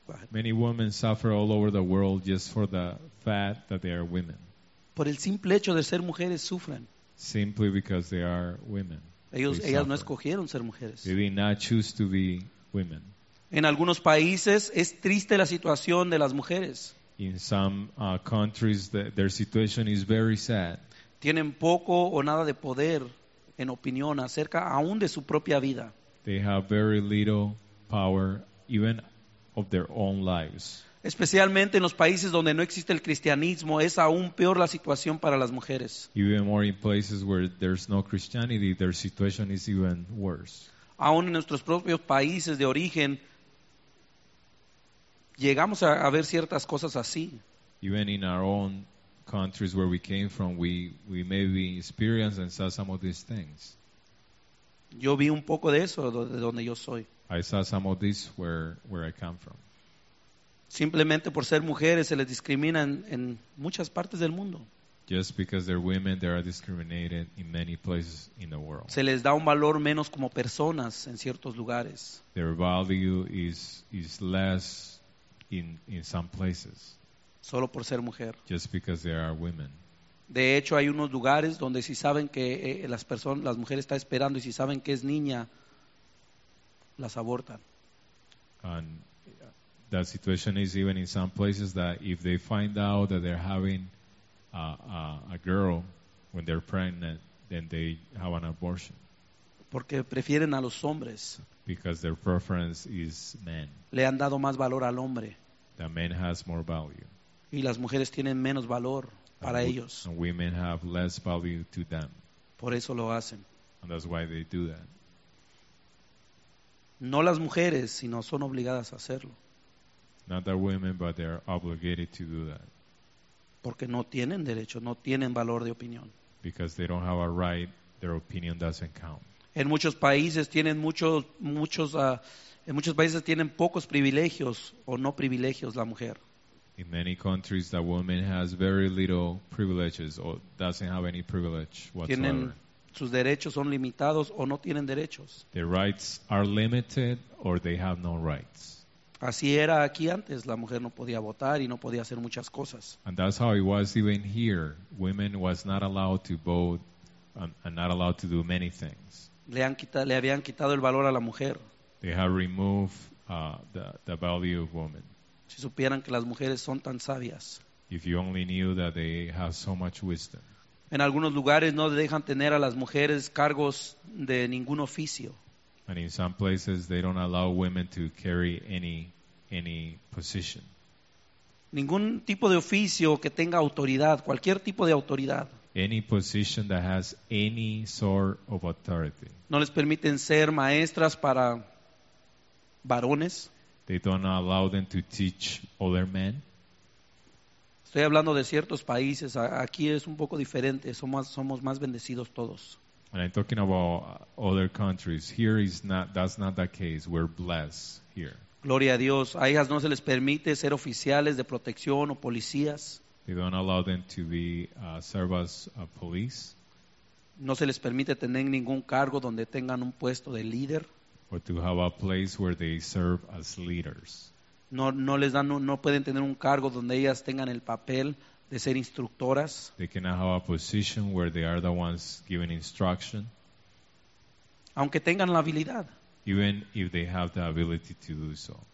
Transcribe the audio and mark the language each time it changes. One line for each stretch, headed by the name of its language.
English: Many women suffer all over the world just for the fact that they are women.
Spanish: Por el simple hecho de ser mujeres sufren.
English: Simply because they are women.
Spanish: Ellas no escogieron ser mujeres.
English: They did not choose to be women.
Spanish: En algunos países es triste la situación de las mujeres.
English: In some countries their situation is very sad.
Spanish: Tienen poco o nada de poder en opinión acerca aún de su propia vida.
English: They have very little power even of their own lives.
Spanish: Especialmente en los países donde no existe el cristianismo es aún peor la situación para las mujeres.
English: Even more in places where there's no Christianity their situation is even worse.
Spanish: Aún en nuestros propios países de origen llegamos a ver ciertas cosas así.
English: Even in our own countries where we came from, we maybe experienced and saw some of these things.
Spanish: Yo vi un poco de eso de donde yo soy.
English: I saw some of this where I come from.
Spanish: Simplemente por ser mujeres se les discrimina en muchas partes del mundo.
English: Just because they're women, they are discriminated in many places in the world.
Spanish: Se les da un valor menos como personas en ciertos lugares.
English: Their value is less in some places.
Spanish: Solo por ser mujer.
English: Just because they are women.
Spanish: De hecho, hay unos lugares donde si saben que las mujeres están esperando y si saben que es niña, las abortan.
English: And the situation is even in some places that if they find out that they're having a girl when they're pregnant, then they have an abortion.
Spanish: Porque prefieren a los hombres.
English: Because their preference is men.
Spanish: Le han dado más valor al hombre.
English: The man has more value.
Spanish: Y las mujeres tienen menos valor para ellos.
English: And women have less value to them.
Spanish: Por eso lo hacen.
English: And that's why they do that.
Spanish: No las mujeres, sino son obligadas a hacerlo.
English: Not the women, but they are obligated to do that.
Spanish: Porque no tienen derecho, no tienen valor de opinión.
English: Because they don't have a right, their opinion doesn't count.
Spanish: En muchos países tienen muchos países tienen pocos privilegios o no privilegios la mujer.
English: In many countries, the woman has very little privileges or doesn't have any privilege whatsoever.
Spanish: Tienen sus derechos son limitados o no tienen derechos.
English: Their rights are limited or they have no rights.
Spanish: Así era aquí antes, la mujer no podía votar y no podía hacer muchas cosas.
English: And that's how it was even here. Women was not allowed to vote and not allowed to do many things.
Spanish: Le habían quitado el valor a la mujer.
English: They have removed the value of women.
Spanish: Si supieran que las mujeres son tan sabias.
English: If you only knew that they have so much wisdom.
Spanish: En algunos lugares no dejan tener a las mujeres cargos de ningún oficio.
English: And in some places they don't allow women to carry any position.
Spanish: Ningún tipo de oficio que tenga autoridad, cualquier tipo de autoridad.
English: Any position that has any sort of authority.
Spanish: No les permiten ser maestras para varones.
English: They don't allow them to teach other men.
Spanish: Estoy hablando de ciertos países. Aquí es un poco diferente. Somos más bendecidos todos.
English: And I'm talking about other countries. Here is not. That's not the case. We're blessed here.
Spanish: Gloria a Dios. A ellas no se les permite ser oficiales de protección o policías.
English: They don't allow them to be service police.
Spanish: No se les permite tener ningún cargo donde tengan un puesto de líder.
English: Or to have a place where they serve as leaders.
Spanish: No pueden tener un cargo donde ellas tengan el papel de ser instructoras.
English: They cannot have a position where they are the ones giving instruction.
Spanish: Aunque tengan la habilidad.
English: Even if they have the ability to do so.